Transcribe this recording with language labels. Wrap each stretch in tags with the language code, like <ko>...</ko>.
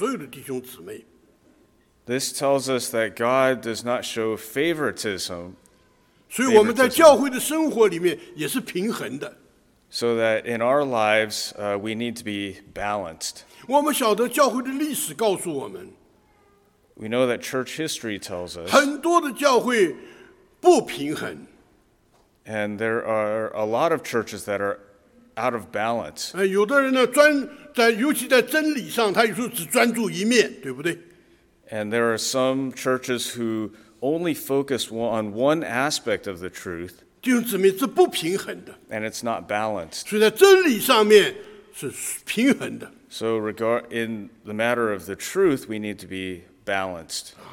<zh>这告诉我们呢，弟兄姊妹，神是没有偏心的，神爱所有的弟兄姊妹。</zh> <en>This tells us that God does not show favoritism.</en> <zh>所以我们在教会的生活里面也是平衡的。</zh> <en>So that in our lives, we need to be balanced. We know that church history tells us. And there are a lot of churches that are out of balance.</en> <zh>有的人呢，尤其在真理上，他有时候只专注一面，对不对？</zh> <en>And there are some churches who only focus on one aspect of the truth.</en> <zh>弟兄姊妹，这不平衡的。</zh> <en>And it's not balanced.</en> <zh>所以在真理上面是平衡的。</zh> <en>So in the matter of the truth, we need to be balanced.</en>